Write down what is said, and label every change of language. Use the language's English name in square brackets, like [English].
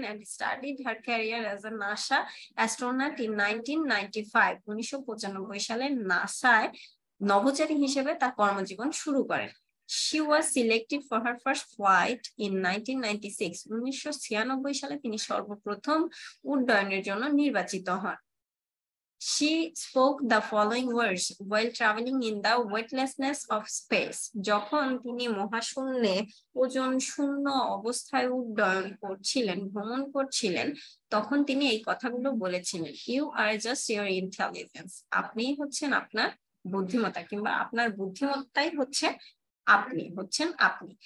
[English] And started her career as a NASA astronaut in 1995। [Bangla] 1995 সালে নাসায় নভোচারী হিসেবে তার কর্মজীবন শুরু করেন। [English] She was selected for her first flight in 1996। [Bangla] 1996 সালে তিনি সর্বপ্রথম উড্ডয়নের জন্য নির্বাচিত হন। [English] She spoke the following words while traveling in the weightlessness of space. [Bangla] যখন তিনি মহাশূন্যে ওজন শূন্য অবস্থায় উড্ডয়ন করছিলেন, ভ্রমণ করছিলেন, তখন তিনি এই কথাগুলো বলেছিলেন। [English] you are just your intelligence, [Bangla] আপনি হচ্ছেন আপনার বুদ্ধিমত্তা, কিংবা আপনার বুদ্ধিমত্তাই হচ্ছে আপনি, হচ্ছেন আপনি।